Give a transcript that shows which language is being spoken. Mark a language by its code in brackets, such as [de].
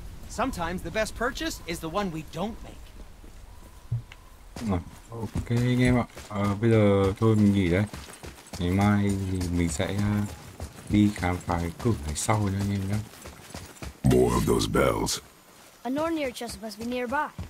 [en] Sometimes the best purchase is the one we don't make. [vi] Ok anh em ạ, bây giờ thôi mình nghỉ đây. Ngày mai thì mình sẽ đi khám phá cái cửa này sau nha anh em nhé. [en] More of those bells. A Nornir chest must be nearby.